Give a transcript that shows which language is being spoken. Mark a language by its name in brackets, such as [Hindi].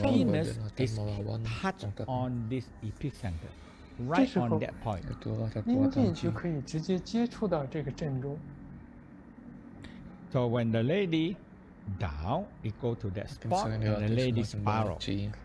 [English] penis is touched on this epicenter, right on that point. [Chinese] 阴茎就可以直接接触到这个正中。 [English] So when the lady down, it go to that spot, and the lady spiral.